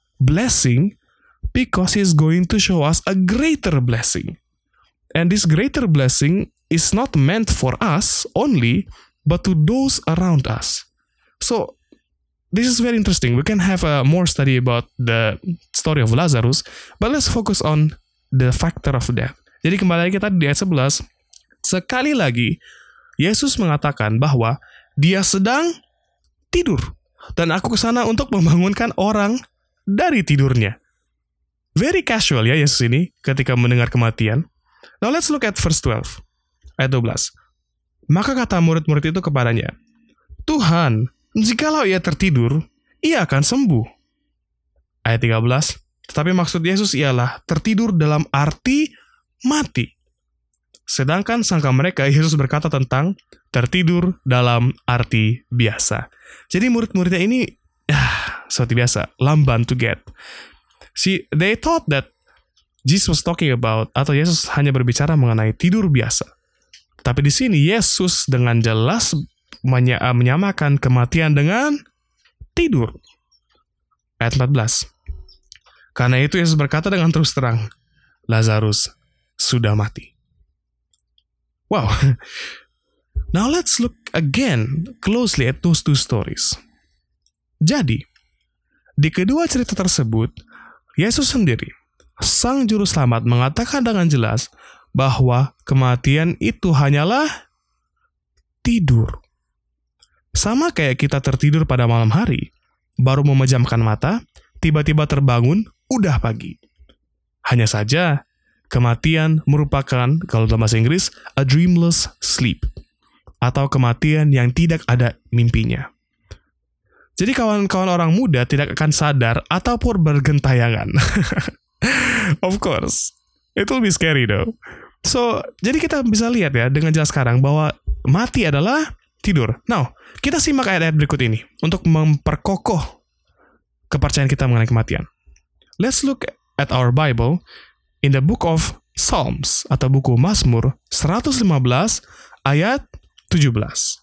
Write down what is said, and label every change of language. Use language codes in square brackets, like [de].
[en] blessing because he's going to show us a greater blessing. And this greater blessing is not meant for us only, but to those around us. So this is very interesting. We can have a more study about the story of Lazarus, but let's focus on the factor of death. [id] Jadi kembali lagi tadi di ayat 11, sekali lagi Yesus mengatakan bahwa dia sedang tidur dan aku kesana untuk membangunkan orang dari tidurnya. [en] Very casual [id] ya Yesus ini ketika mendengar kematian. [en] Now let's look at verse 12, [id] ayat 12. Maka kata murid-murid itu kepadanya, Tuhan, jikalau ia tertidur, ia akan sembuh. Ayat 13, tetapi maksud Yesus ialah tertidur dalam arti mati. Sedangkan sangka mereka, Yesus berkata tentang tertidur dalam arti biasa. Jadi murid-muridnya ini, seperti biasa, lamban [en] to get. See, they thought that Jesus was talking about, [id] atau Yesus hanya berbicara mengenai tidur biasa. Tapi di sini, Yesus dengan jelas menyamakan kematian dengan tidur. Ayat 14. Karena itu Yesus berkata dengan terus terang, Lazarus sudah mati. [en] Wow. Now let's look again closely at those two stories. [id] Jadi, di kedua cerita tersebut, Yesus sendiri, Sang Juru Selamat, mengatakan dengan jelas bahwa kematian itu hanyalah tidur. Sama kayak kita tertidur pada malam hari, baru memejamkan mata, tiba-tiba terbangun, udah pagi. Hanya saja, kematian merupakan, kalau dalam bahasa Inggris, [en] a dreamless sleep, [id] atau kematian yang tidak ada mimpinya. Jadi kawan-kawan orang muda tidak akan sadar ataupun bergentayangan. [en] Of course, it will be scary though. [id] So, jadi kita bisa lihat ya dengan jelas sekarang bahwa mati adalah tidur. Now, kita simak ayat-ayat berikut ini untuk memperkokoh kepercayaan kita mengenai kematian. [en] Let's look at our Bible in the book of Psalms [id] atau buku Mazmur 115 ayat 17.